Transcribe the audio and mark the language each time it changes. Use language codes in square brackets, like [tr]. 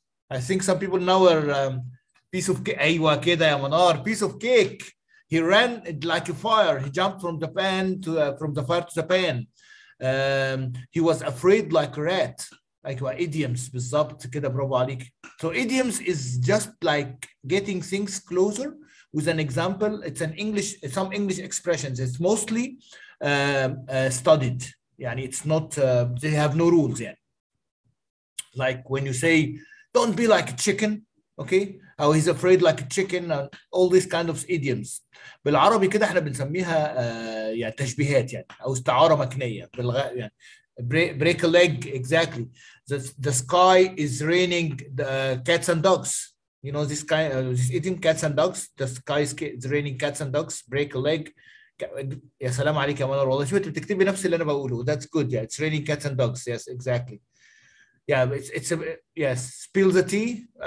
[en] I think some people know are piece of cake. [ar] Aywa keda ya Manar, [en] piece of cake. He ran like a fire. He jumped from the pan to from the fire to the pan. He was afraid like a rat. Like what idioms, [ar] بالضبط كده برافو عليك. [en] So idioms is just like getting things closer with an example. It's an English, some English expressions. It's mostly studied. يعني it's not, they have no rules yet. Like when you say, don't be like a chicken, okay? Oh, he's afraid like a chicken, and all these kind of idioms. [ar] بالعربي كده احنا بنسميها يعني تشبيهات يعني او استعارة مكنية بالغ يعني. [en] Break a leg, exactly. The sky is raining the cats and dogs. You know this kind of this idiom, cats and dogs. The sky is raining cats and dogs. Break a leg. [ar] يا سلام عليك يا منار والله شوف انت بتكتب لي نفس اللي انا بقوله. [en] That's good. Yeah, it's raining cats and dogs. Yes, exactly. Yeah, it's a yes. Spill the tea.